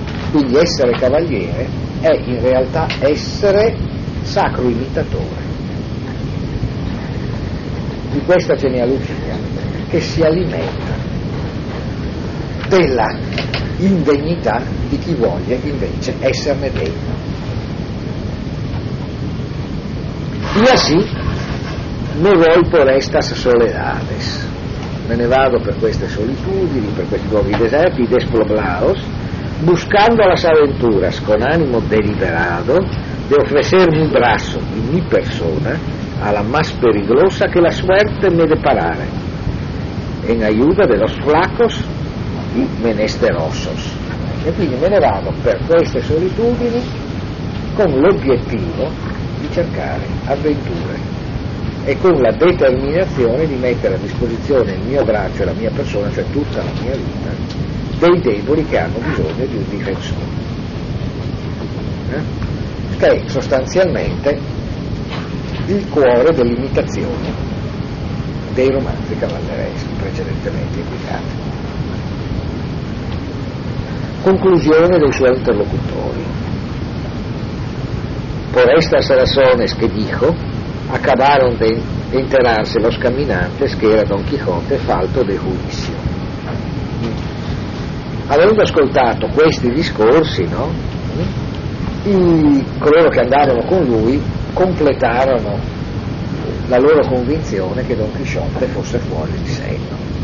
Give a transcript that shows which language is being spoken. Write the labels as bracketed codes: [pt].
[it] Quindi essere cavaliere è in realtà essere sacro imitatore di questa genealogia che si alimenta della indegnità di chi voglia invece esserne degno. [es] Io sì, me voi por estas soledades, [it] me ne vado per queste solitudini, per questi luoghi deserti, [es] desploblaos, buscando las aventuras con animo deliberado de ofrecer mi brazo y mi persona a la más peligrosa que la suerte me deparare, en ayuda de los flacos y menesterosos. [it] E quindi me ne vado per queste solitudini con l'obiettivo di cercare avventure e con la determinazione di mettere a disposizione il mio braccio e la mia persona, cioè tutta la mia vita, dei deboli che hanno bisogno di un difensore. Che è sostanzialmente il cuore dell'imitazione dei romanzi cavallereschi precedentemente indicati. Conclusione dei suoi interlocutori. [es] Por estas razones que dijo, acabaron de enterarse los caminantes que era Don Quijote falto de juicio. [it] Avendo ascoltato questi discorsi, no? Coloro che andarono con lui completarono la loro convinzione che Don Quijote fosse fuori di senno.